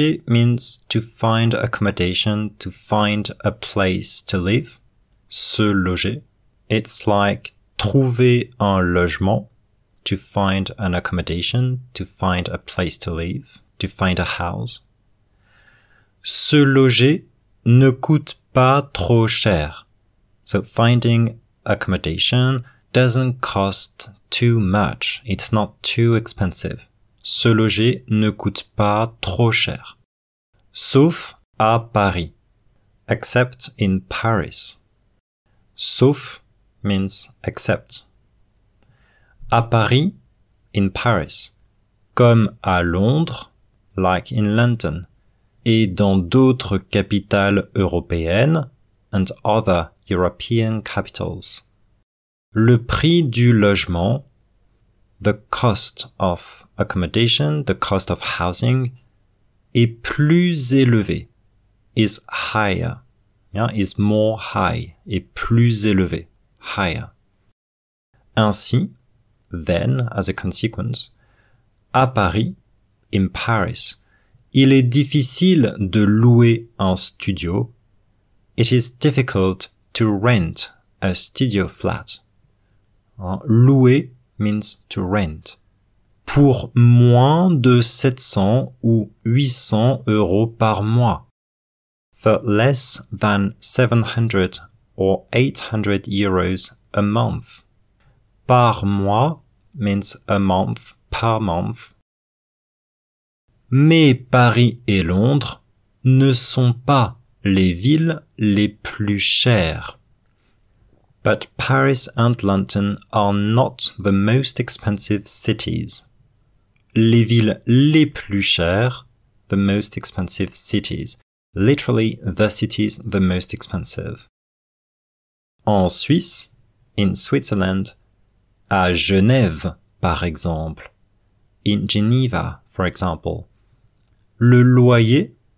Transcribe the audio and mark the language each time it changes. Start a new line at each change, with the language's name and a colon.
English: means to find accommodation, to find a place to live.
French: Se loger.
English: It's like
French: trouver un logement,
English: to find an accommodation, to find a place to live, to find a house.
French: Se loger ne coûte pas trop cher.
English: So finding accommodation doesn't cost too much. It's not too expensive.
French: Se loger ne coûte pas trop cher. Sauf à Paris.
English: Except in Paris.
French: Sauf
English: means except.
French: À Paris,
English: in Paris,
French: comme à Londres,
English: like in London,
French: et dans d'autres capitales européennes,
English: and other European capitals.
French: Le prix du logement,
English: the cost of accommodation, the cost of housing,
French: est plus élevé,
English: is higher, yeah, is more high,
French: est plus élevé,
English: higher.
French: Ainsi,
English: then, as a consequence,
French: à Paris,
English: in Paris,
French: il est difficile de louer un studio,
English: it is difficult to rent a studio flat. Louer means to rent.
French: Pour moins de 700 ou 800 euros par mois.
English: For less than 700 or 800 euros a month.
French: Par mois
English: means a month, per month.
French: Mais Paris et Londres ne sont pas les villes les plus chères.
English: But Paris and London are not the most expensive cities.
French: Les villes les plus chères,
English: the most expensive cities. Literally, the cities the most expensive.
French: En Suisse,
English: in Switzerland,
French: à Genève, par exemple,
English: in Geneva, for example,
French: le loyer,